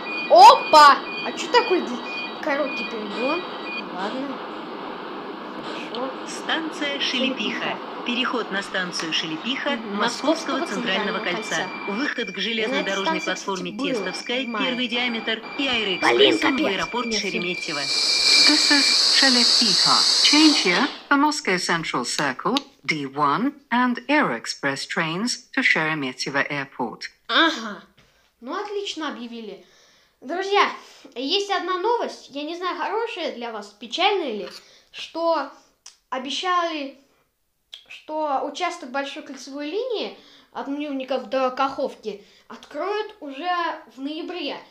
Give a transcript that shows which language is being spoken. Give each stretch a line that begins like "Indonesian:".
Russian: Опа! А что такой короткий перегон? Ладно. Станция Шелепиха. Переход на станцию Шелепиха Московского центрального кольца. Выход к железнодорожной платформе Тестовская, первый диаметр, и Аэроэкспрессом в аэропорт Шереметьево.
English: This is Шелепиха. Change here for Moscow Central Circle, D1 and Aeroexpress trains to Шереметьево Airport.
Russian: Ага, ну отлично объявили. Друзья, есть одна новость, я не знаю, хорошая для вас, печальная ли, что... Обещали, что участок большой кольцевой линии от Мневников до Каховки откроют уже в ноябре.